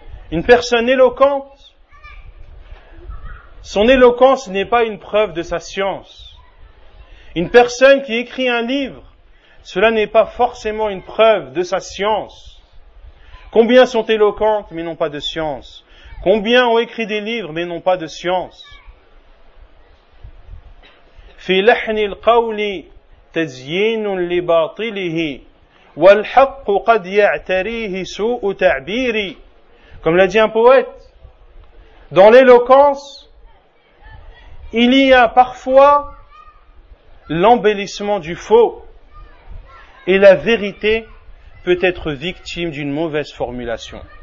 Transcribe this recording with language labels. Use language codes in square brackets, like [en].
[fr] Une personne éloquente, son éloquence n'est pas une preuve de sa science. Une personne qui écrit un livre, cela n'est pas forcément une preuve de sa science. Combien sont éloquentes mais n'ont pas de science? Combien ont écrit des livres mais n'ont pas de science? [ar] في لحن القول تزيين لباطله والحق قد يعتريه سوء تعبيري. [fr] Comme l'a dit un poète, dans l'éloquence, il y a parfois l'embellissement du faux, et la vérité peut être victime d'une mauvaise formulation.